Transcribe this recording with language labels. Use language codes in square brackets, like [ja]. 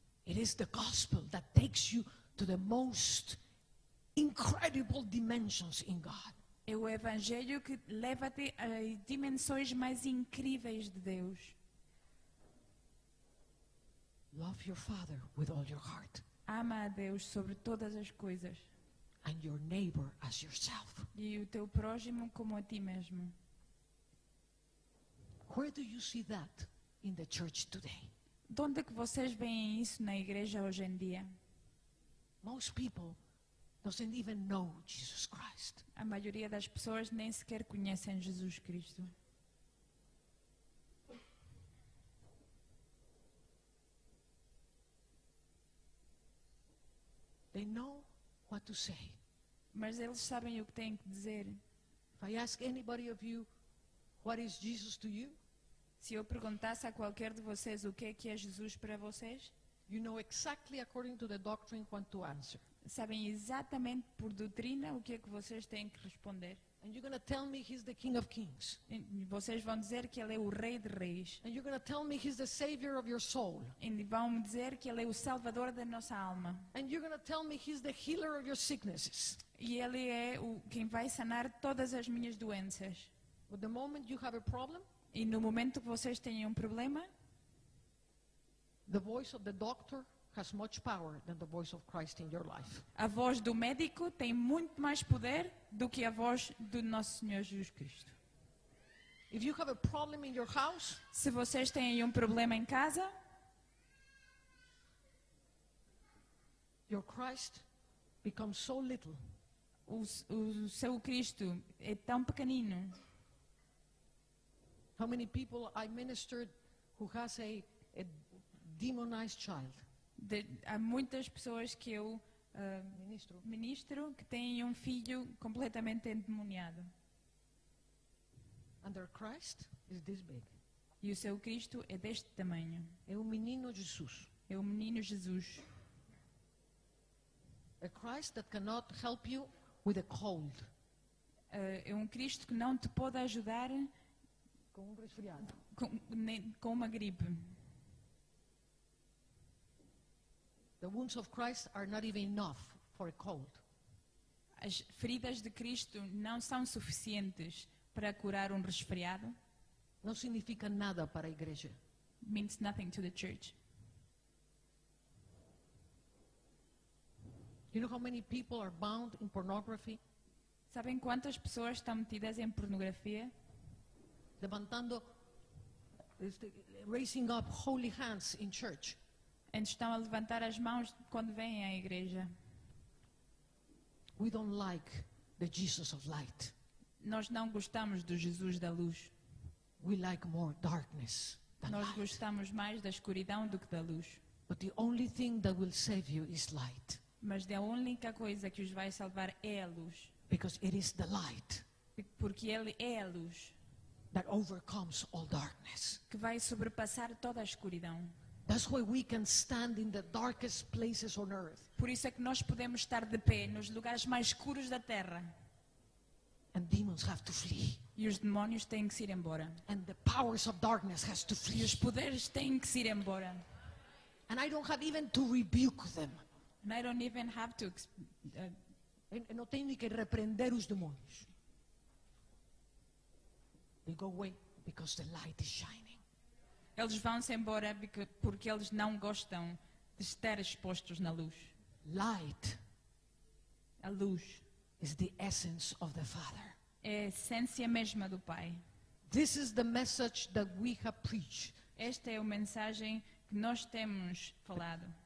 [en] it is the gospel that takes you to the most incredible dimensions in God. [pt] É o evangelho que leva-te às dimensões mais incríveis de Deus. [en] Love your father with all your heart. [pt] Ama a Deus sobre todas as coisas. [en] And your neighbor as yourself. [pt] E o teu próximo como a ti mesmo. [en] Where do you see that in the church today? [pt] De onde é que vocês veem isso na igreja hoje em dia? [en] Most people doesn't even know Jesus Christ. [pt] A maioria das pessoas nem sequer conhecem Jesus Cristo. [en] They know what to say. [pt] Mas eles sabem o que têm que dizer. [en] If I ask anybody of you, what is Jesus to you? [pt] Se eu perguntasse a qualquer de vocês o que é Jesus para vocês, [en] you know exactly according to the doctrine what to answer. [pt] Sabem exatamente por doutrina o que é que vocês têm que responder. [en] And you're going to tell me he's the King of Kings. [pt] E vocês vão dizer que ele é o Rei de Reis. [en] And you're going to tell me he's the Savior of your soul. [pt] E vão dizer que ele é o Salvador da nossa alma. [en] And you're going to tell me he's the healer of your sicknesses. [pt] E ele é o quem vai sanar todas as minhas doenças. [en] But the moment you have a problem, [pt] e no momento que vocês têm um problema, [en] the voice of the doctor has much power than the voice of Christ in your life. [pt] A voz do médico tem muito mais poder do que a voz do nosso Senhor Jesus Cristo. [en] If you have a problem in your house, [pt] se vocês têm problema em casa, [en] your Christ becomes so little. [pt] o seu Cristo é tão pequenino. [en] How many people I ministered who has a demonized child? [pt] Há muitas pessoas que eu ministro que têm um filho completamente endemoniado. [en] Under Christ is this big. [pt] E o seu Cristo é deste tamanho. É o menino Jesus. É o menino Jesus. [en] A Christ that cannot help you with a cold. [pt] É um Cristo que não te pode ajudar com um resfriado. Com uma gripe. [en] The wounds of Christ are not even enough for a cold. [pt] As feridas de Cristo não são suficientes para curar um resfriado. Não significa nada para a igreja. [en] Means nothing to the church. You know how many people are bound in pornography? [pt] Sabem quantas pessoas estão metidas em pornografia? Levantando, [en] raising up holy hands in church. [pt] Estão a levantar as mãos quando vêm à igreja. [en] We don't like the Jesus of light. [pt] Nós não gostamos do Jesus da luz. [en] We like more darkness than [pt] Nós [en] light. [pt] Gostamos mais da escuridão do que da luz. [en] But the only thing that will save you is light. [pt] Mas a única coisa que os vai salvar é a luz. [en] Because it is the light. [pt] Porque ele é a luz. [en] That overcomes all darkness. [pt] Que vai sobrepassar toda a escuridão. [en] That's why we can stand in the darkest places on earth. [pt] Por isso é que nós podemos estar de pé nos lugares mais escuros da terra. [en] And demons have to flee. [pt] E os demónios têm que ir embora. [en] And the powers of darkness has to flee. [pt] E os poderes têm que ir embora. [en] And I don't have even to rebuke them. And I don't even have to [pt] não tenho que repreender os demônios. [en] They go away because the light is shining. [pt] Eles vão-se embora porque eles não gostam de estar expostos na luz. [en] Light. [pt] A luz [en] is the essence of the Father. [pt] É a essência mesma do Pai. [en] This is the message that we have preached. [pt] Esta é a mensagem que nós temos falado.